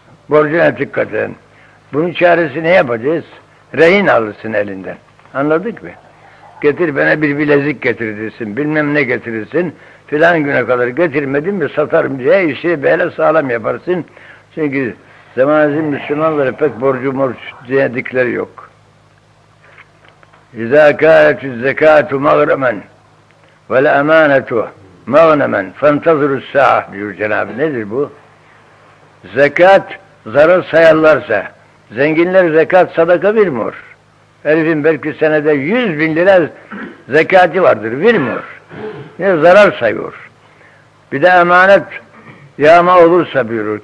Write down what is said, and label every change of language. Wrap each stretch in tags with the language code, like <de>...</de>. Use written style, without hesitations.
<tr>Borcuna dikkat edin. Bunun çaresi ne yapacağız? Rehin alırsın elinden. Anladık mı? Getir bana bir bilezik getirirsin, bilmem ne getirirsin. Filan güne kadar getirmedin mi satarım diye işi böyle sağlam yaparsın. Çünkü zamanımızın Müslümanları pek borcu morç diye dikleri yok.</tr> <ar>اِذَا كَالَتُ الزَّكَاتُ مَغْرَمًا وَالْاَمَانَةُ مَغْنَمًا فَانْتَظُرُ السَّاعَةُ</ar> <tr>diyor Cenab-ı. Nedir bu? Zekat zarar sayarlarsa, zenginler zekat sadaka vermiyor. Herifin belki senede 100 bin lira zekati vardır, vermiyor. Ne zarar sayıyor. Bir de emanet yağma olursa buyurur.</tr>